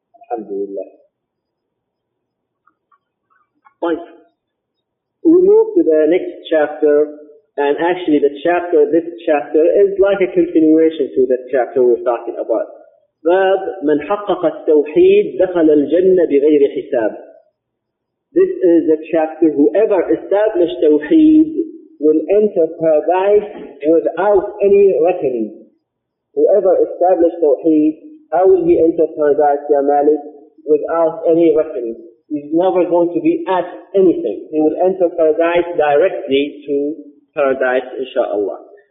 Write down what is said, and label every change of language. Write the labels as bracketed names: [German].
[Arabic] Alhamdulillah. [English] Fine. We move to the next chapter, and actually this chapter is like a continuation to the chapter we're talking about. [Arabic] باب من حقق التوحيد دخل الجنة بغير حساب. [English] This is a chapter, whoever established tawheed will enter paradise without any reckoning. Whoever established tawheed, how will he enter paradise, Ya Malik, without any reckoning? He's never going to be asked anything. He will enter paradise directly to paradise, inshaAllah.